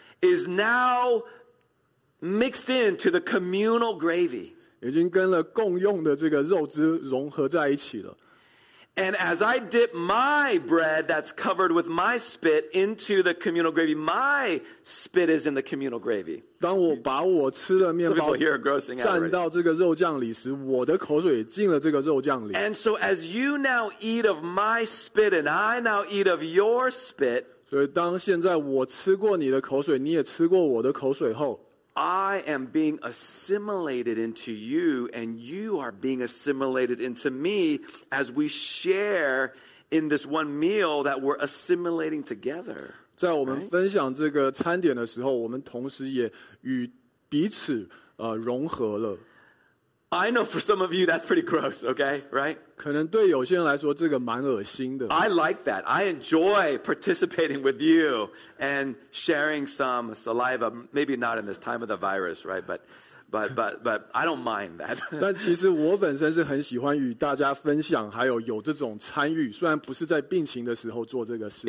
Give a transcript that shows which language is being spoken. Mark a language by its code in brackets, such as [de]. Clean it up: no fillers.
[en] is now mixed into the communal gravy. [zh] 已经跟了共用的这个肉汁融合在一起了。 [en] And as I dip my bread that's covered with my spit into the communal gravy, my spit is in the communal gravy. [zh] 当我把我吃的面包 [en] here grossing out [zh] 沾到这个肉酱里时, 我的口水进了这个肉酱里。 [en] And so as you now eat of my spit and I now eat of your spit, [zh] 所以当现在我吃过你的口水, 你也吃过我的口水后, [en] I am being assimilated into you, and you are being assimilated into me as we share in this one meal that we're assimilating together. [zh] 在我们分享这个餐点的时候, 我们同时也与彼此, 融合了。 [en] I know for some of you that's pretty gross, okay, right? [zh] 可能对有些人来说这个蛮恶心的。 [en] I like that. I enjoy participating with you and sharing some saliva. Maybe not in this time of the virus, right? But I don't mind that. [zh] 但其实我本身是很喜欢与大家分享，还有有这种参与，虽然不是在病情的时候做这个事。